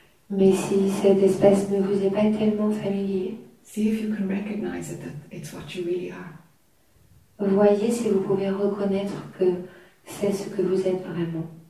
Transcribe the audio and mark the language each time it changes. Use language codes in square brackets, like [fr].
[fr] Mais si cette espèce ne vous est pas tellement familier, [en] see if you can recognize it, that it's what you really are. [fr] Voyez si vous pouvez reconnaître que c'est ce que vous êtes vraiment.